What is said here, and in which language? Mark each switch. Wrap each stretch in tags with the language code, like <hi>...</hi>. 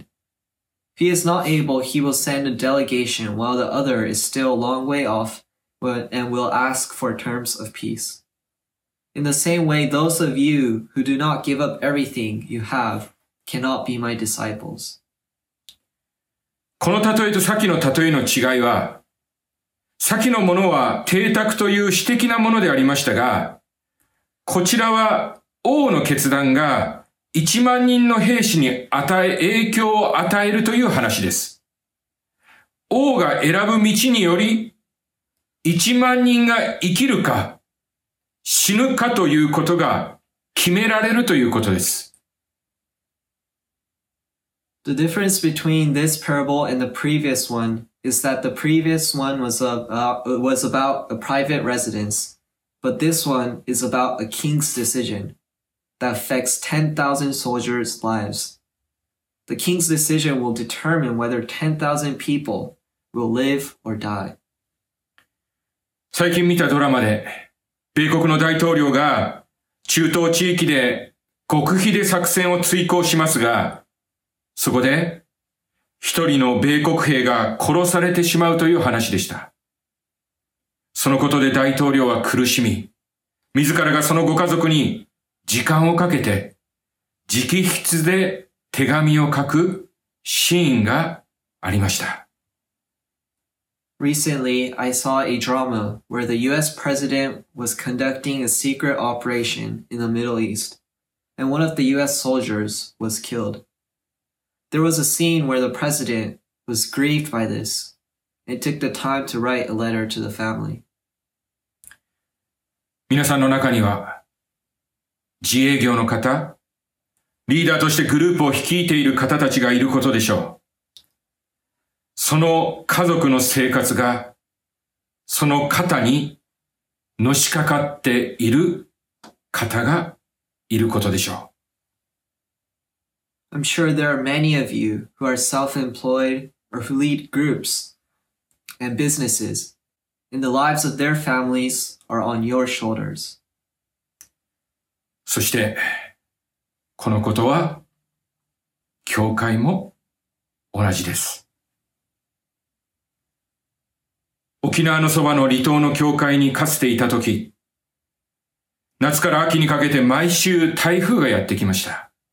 <en>If he is not able, he will send a delegation while the other is still a long way off and will ask for terms of peace. In the same way, those of you who do not give up everything you have cannot be my disciples.</en> <ja>この例えと先の例えの違いは、先のものは邸宅という私的なものでありましたが、こちらは王の決断が1万人の兵士に影響を与えるという話です。王が選ぶ道により、1万人が生きるか、死ぬかということが決められるということです。</ja> <en>The difference between this parable and the previous one is that the previous one was about a private residence, but this one is about a king's decision that affects 10,000 soldiers' lives. The king's decision will determine whether 10,000 people will live or die.</en> <ja>最近見たドラマで、米国の大統領が中東地域で極秘で作戦を遂行しますが、そこで、一人の米国兵が殺されてしまうという話でした。そのことで大統領は苦しみ、自らがそのご家族に時間をかけて、直筆で手紙を書くシーンがありました。</ja> <en>Recently, I saw a drama where the US president was conducting a secret operation in the Middle East, and one of the US soldiers was killed. There was a scene where the president was grieved by this and took the time to write a letter to the family.</en> <ja>皆さんの中には、自営業の方、リーダーとしてグループを率いている方たちがいることでしょう。その家族の生活が、その肩にのしかかっている方がいることでしょう。</ja> <en>I'm sure there are many of you who are self-employed or who lead groups and businesses, and the lives of their families are on your shoulders.</en> <ja>そして、このことは、教会も同じです。沖縄のそばの離島の教会にかつていたとき、夏から秋にかけて毎週台風がやってきました。</ja>